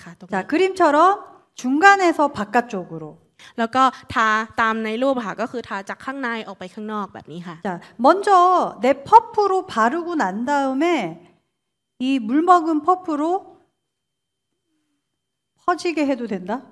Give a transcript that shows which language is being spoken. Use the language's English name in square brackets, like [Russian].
[Korean] 자, 그림처럼 중간에서 바깥쪽으로. [Thai] 그리고ทาตามในรูปค่ะก็คือทาจากข้างในออกไปข้างนอกแบบนี้ค่ะ [Korean] 자, 먼저 내 퍼프로 바르고 난 다음에 이 물먹은 퍼프로 퍼지게 해도 된다?